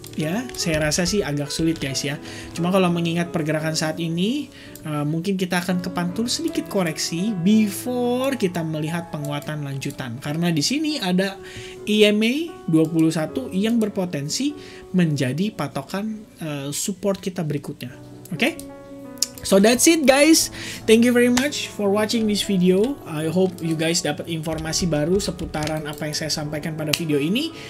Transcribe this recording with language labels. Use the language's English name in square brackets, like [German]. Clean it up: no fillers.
[Indonesian] Ya, saya rasa sih agak sulit guys ya. Cuma kalau mengingat pergerakan saat ini, mungkin kita akan kepantul sedikit koreksi before kita melihat penguatan lanjutan. Karena di sini ada EMA 21 yang berpotensi menjadi patokan support kita berikutnya. Oke? [English] So that's it guys, thank you very much for watching this video. [Indonesian] I hope you guys dapat informasi baru seputaran apa yang saya sampaikan pada video ini.